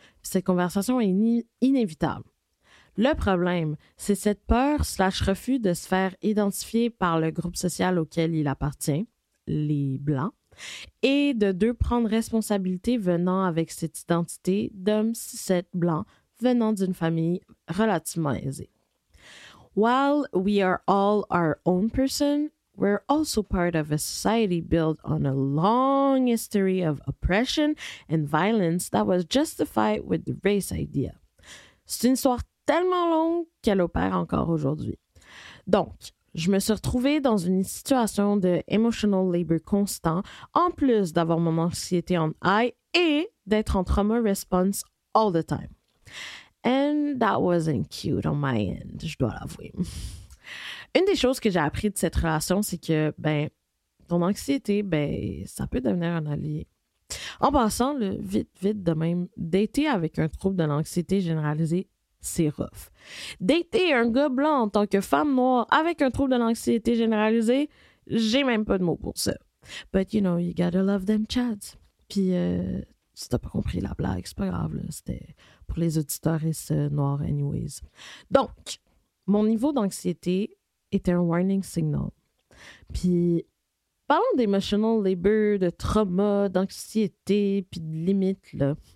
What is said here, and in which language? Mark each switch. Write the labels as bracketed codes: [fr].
[fr] Puis cette conversation est inévitable. Le problème, c'est cette peur slash refus de se faire identifier par le groupe social auquel il appartient, les blancs, et de deux, prendre responsabilité venant avec cette identité d'homme cis blanc venant d'une famille relativement aisée. [en] While we are all our own person, we're also part of a society built on a long history of oppression and violence that was justified with the race idea. [fr] C'est une histoire tellement longue qu'elle opère encore aujourd'hui. Donc, je me suis retrouvée dans une situation de [en] emotional labor [fr] constant, en plus d'avoir mon anxiété en high et d'être en [en] trauma response all the time. And that wasn't cute on my end, [fr] je dois l'avouer. Une des choses que j'ai appris de cette relation, c'est que, ben, ton anxiété, ben, ça peut devenir un allié. En passant, le vite, vite de même, dater avec un trouble de l'anxiété généralisée, c'est rough. Dater un gars blanc en tant que femme noire avec un trouble de l'anxiété généralisée, j'ai même pas de mots pour ça. [en] But you know, you gotta love them chads. [fr] Puis, si t'as pas compris la blague, c'est pas grave, là. C'était pour les auditeurs noirs anyways. Donc, mon niveau d'anxiété était un [en] warning signal. [fr] Puis, parlons d' [en] emotional labor, [fr] de trauma, d'anxiété, puis de limites, là.